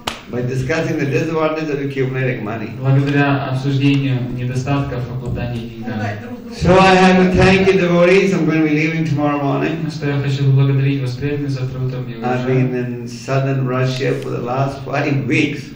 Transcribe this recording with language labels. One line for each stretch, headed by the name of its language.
English: By discussing the disadvantages of accumulating money.
Russian: Благодаря обсуждению недостатков обладания деньгами.
English: So I have to thank you, devotees. I'm going to be leaving tomorrow morning.
Russian: Что я хочу поблагодарить вас, преданные, за труд, который я уже.
English: I've been in southern Russia for the last 5 weeks.